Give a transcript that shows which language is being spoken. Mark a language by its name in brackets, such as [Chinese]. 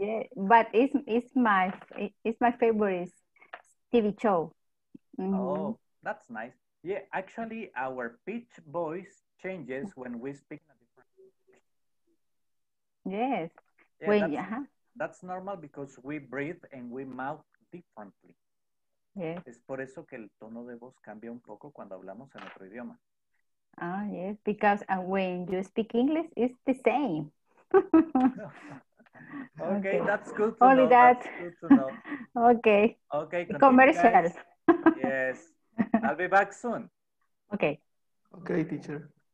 [English] Yeah, but it's my favorite TV show. Mm-hmm. Oh, that's nice. Yeah, actually our pitch voice changes when we speak in a different language. Yes. Yeah, that's normal because we breathe and we mouth differently. Yes. [Spanish] Es por eso que el tono de voz cambia un poco cuando hablamos en otro idioma. [English] Ah, yes, because when you speak English, it's the same. Okay, that's good to know. Only that. That's good to know. Okay. Okay, commercial. Yes. I'll be back soon. Okay. Okay, teacher.